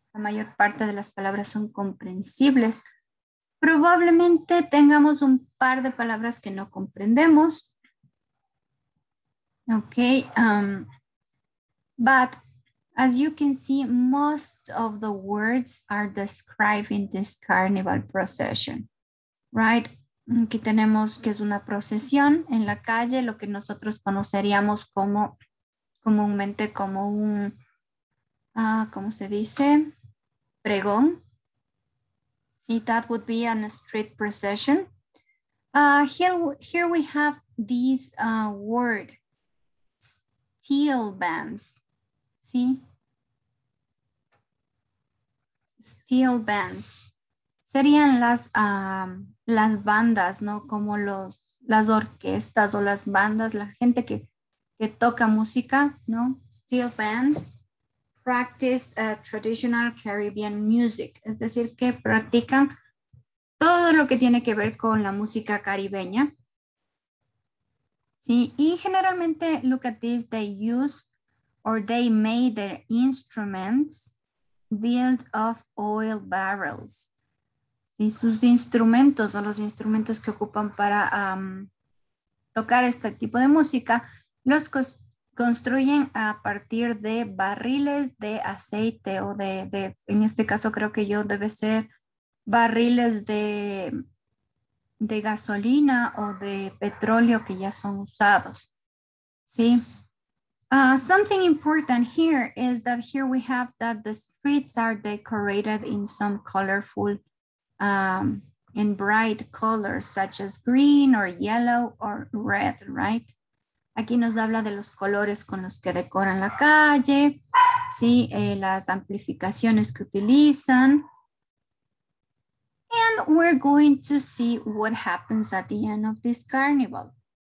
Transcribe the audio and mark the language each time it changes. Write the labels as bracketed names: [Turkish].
[Spanish] La mayor parte de las palabras son comprensibles. Probablemente tengamos un par de palabras que no comprendemos. [English] Okay, but As you can see, most of the words are describing this carnival procession, right? [Spanish] Aquí tenemos que es una procesión en la calle, lo que nosotros conoceríamos como comúnmente como un, ¿cómo se dice? [English] Pregón. [Spanish] Sí, [English] that would be a street procession. Here we have this word, steel bands. [Spanish] Sí. Steel bands. Serían las bandas, ¿no? Como las orquestas o las bandas, la gente que toca música, ¿no? [English] Steel bands practice traditional Caribbean music. [Spanish] Es decir, que practican todo lo que tiene que ver con la música caribeña. Sí, y generalmente, [English] look at this, they use or they made their instruments built of oil barrels. [Spanish] Y sus instrumentos o los instrumentos que ocupan para tocar este tipo de música los construyen a partir de barriles de aceite o de en este caso creo que yo debe ser barriles de gasolina o de petróleo que ya son usados. ¿Sí? [English] Something important here is that here we have that the streets are decorated in some colorful in bright colors such as green or yellow or red, right? [Spanish] Aquí nos habla de los colores con los que decoran la calle, ¿sí? Las amplificaciones que utilizan. [English] And we're going to see what happens at the end of this carnival.